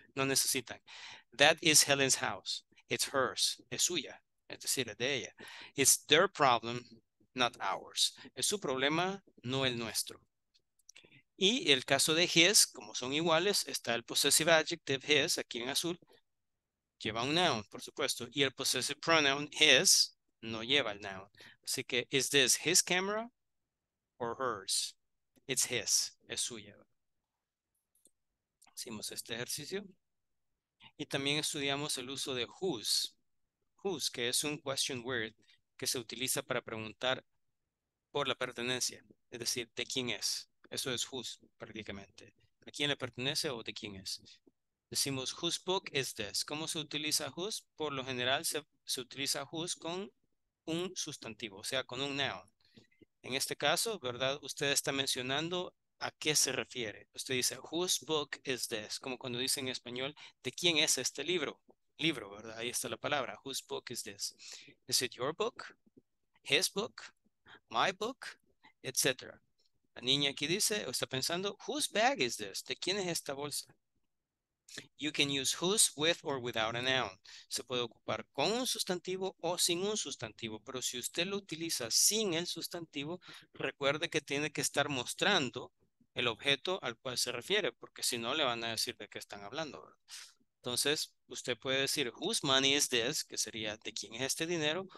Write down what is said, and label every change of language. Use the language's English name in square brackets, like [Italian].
[Spanish] No necesitan. [English] That is Helen's house. It's hers. [Spanish] Es suya. Es decir, es de ella. [English] It's their problem, not ours. [Spanish] Es su problema, no el nuestro. Y el caso de his, como son iguales, está el possessive adjective his, aquí en azul, lleva un noun, por supuesto. Y el possessive pronoun his no lleva el noun. Así que, [English] is this his camera or hers? It's his, [Spanish] es suya. Hicimos este ejercicio. Y también estudiamos el uso de whose. Whose, que es un question word que se utiliza para preguntar por la pertenencia, es decir, de quién es. Eso es whose, prácticamente. ¿A quién le pertenece o de quién es? Decimos, [English] whose book is this? [Spanish] ¿Cómo se utiliza whose? Por lo general se utiliza whose con un sustantivo, o sea, con un noun. En este caso, ¿verdad? Usted está mencionando a qué se refiere. Usted dice, [English] whose book is this? [Spanish] Como cuando dice en español, ¿de quién es este libro? Libro, ¿verdad? Ahí está la palabra. [English] Whose book is this? Is it your book? His book? My book? [Spanish] Etcétera. La niña aquí dice, o está pensando, [English] whose bag is this? [Spanish] ¿De quién es esta bolsa? [English] You can use whose with or without a noun. [Spanish] Se puede ocupar con un sustantivo o sin un sustantivo, pero si usted lo utiliza sin el sustantivo, recuerde que tiene que estar mostrando el objeto al cual se refiere, porque si no le van a decir de qué están hablando, ¿verdad? Entonces, usted puede decir, [English] whose money is this, [Spanish] que sería, ¿de quién es este dinero?